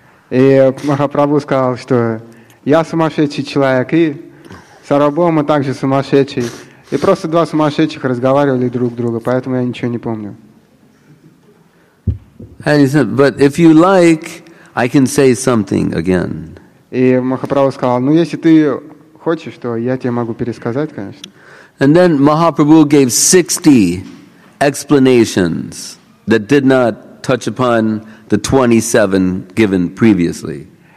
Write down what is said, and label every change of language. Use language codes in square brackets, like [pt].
[ru] И Махапрабху сказал, что я сумасшедший человек, и Сарвабхаума также сумасшедший, и просто 2 сумасшедших разговаривали друг с другом, поэтому я ничего не помню. [en] And he said, but if you like, I can say something again. [ru] И Махапрабху сказал, ну если ты хочешь, то я тебе могу пересказать, конечно. [en] And then Mahaprabhu gave 60 explanations that did not touch upon the 27 given previously.